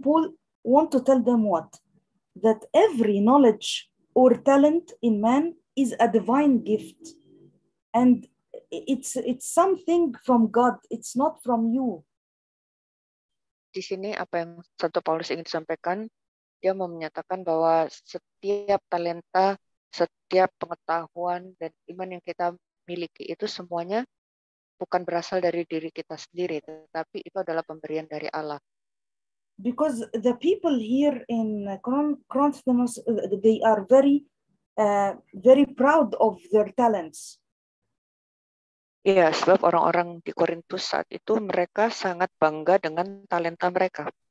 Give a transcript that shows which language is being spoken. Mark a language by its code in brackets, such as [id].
[en] Paul want to tell them what? That every knowledge or talent in man is a divine gift. And it's something from God. It's not from you. [id] Di sini apa yang Santo Paulus ingin sampaikan, dia mau menyatakan bahwa setiap talenta, setiap pengetahuan dan iman yang kita miliki itu semuanya bukan berasal dari diri kita sendiri, tetapi itu adalah pemberian dari Allah. [en] Because the people here in Corinthians, they are very, very proud of their talents. [id] Yeah, sebab orang-orang di Korintus saat itu mereka sangat bangga dengan talenta mereka.